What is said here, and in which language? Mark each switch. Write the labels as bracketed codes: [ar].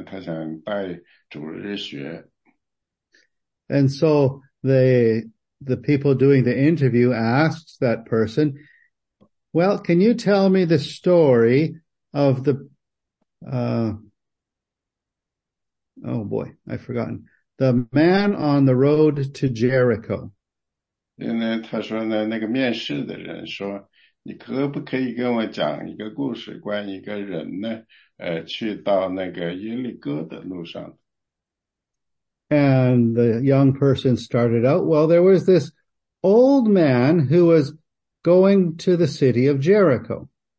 [zh] 那里呢，有一些年轻的人呢，他想带主日学。 [en] And so the people doing the interview asked that person, "Well, can you tell me the story of the, oh boy, I've forgotten, the man on the road to Jericho?" [zh] 因为他说呢，那个面试的人说，你可不可以跟我讲一个故事，关于一个人呢，去到那个耶利哥的路上。 [en] And the young person started out, "Well, there was this old man who was going to the city of Jericho."